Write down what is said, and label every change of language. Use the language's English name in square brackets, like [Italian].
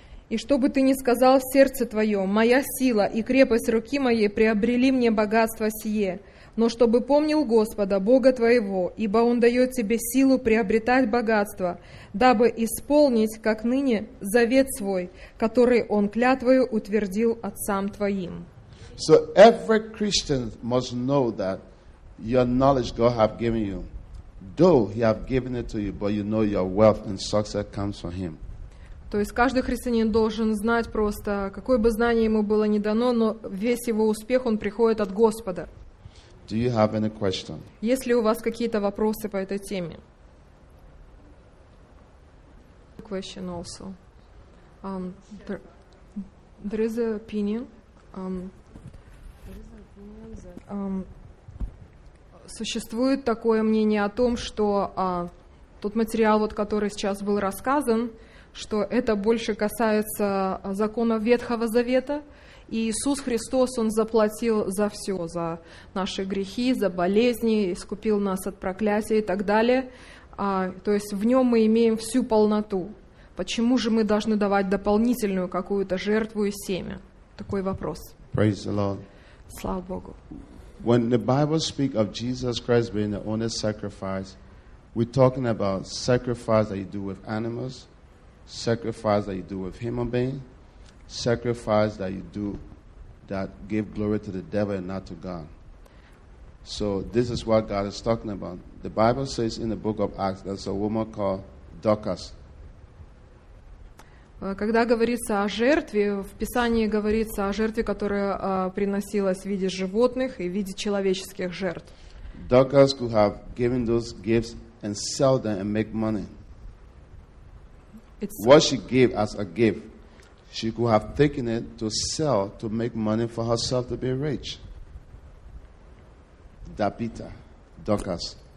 [Russian] И что бы ты ни сказал в сердце твое, моя сила и крепость руки моей приобрели мне богатство сие. Но чтобы помнил Господа, Бога твоего, ибо Он дает тебе силу приобретать богатство, дабы исполнить, как ныне, завет свой, который Он клятвою утвердил отцам твоим. [English] So every Christian must know that your knowledge God have given you, though He have given it to you, but you know your wealth and success comes from Him. [Russian] То есть каждый христианин должен знать просто, какое бы знание ему было не дано, но весь его успех, он приходит от Господа. [English] Do you have any question? [Russian] Есть ли у вас какие-то вопросы по этой теме? [English] Question also. There is an opinion. [Russian] Существует такое мнение о том, что тот материал, вот, который сейчас был рассказан, что это больше касается закона Ветхого Завета, и Иисус Христос, Он заплатил за все, за наши грехи, за болезни, искупил нас от проклятия и так далее. То есть в Нем мы имеем всю полноту. Почему же мы должны давать дополнительную какую-то жертву и семя? Такой вопрос. [English] Praise the Lord. [Russian] Слава Богу. [English] When the Bible speaks of Jesus Christ being the only sacrifice, we're talking about sacrifice that you do with animals, sacrifice that you do with human beings, sacrifice that you do that give glory to the devil and not to God. So this is what God is talking about. The Bible says in the book of Acts, there's a woman called Dorcas. [Russian] Когда говорится о жертве, в Писании говорится о жертве, которая приносилась в виде животных и в виде человеческих жертв. [English] Dogs could have given those gifts and sell them and make money. What she gave as a gift, she could have taken it to sell to make money for herself to be rich. Dabita, Dorcas.